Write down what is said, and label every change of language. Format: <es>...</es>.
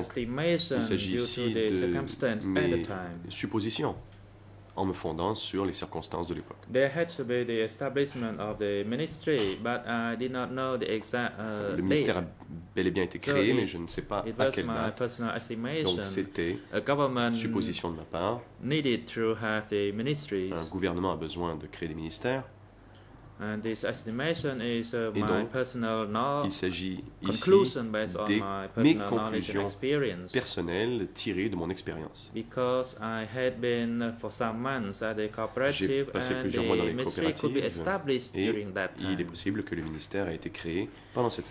<en>estimation due to the circumstance and the time. Supposition.</en> <fr>en me fondant sur les circonstances de l'époque.</fr> <en>There had to be the establishment of the ministry, but I did not know the exact</en> <fr>Le ministère a bel et bien été créé, mais je ne sais pas à quelle date.</fr> <en>It was my personal estimation.</en> <fr>Donc c'était une supposition de ma part.</fr> <en>Needed to have the ministry.</en> <fr>Un gouvernement a besoin de créer des ministères.</fr> <en>And this estimation is my personal knowledge.</en> <fr>Il s'agit ici</fr> <en>conclusion based on my personal</en> <fr>conclusions</fr> <en>experience.</en> <fr>Personnelles tirées de mon expérience.</fr> <en>Because I had been for some months at the cooperative, and the ministry could be established during that time.</en> <fr>Il est possible que le ministère ait été créé pendant cette</fr>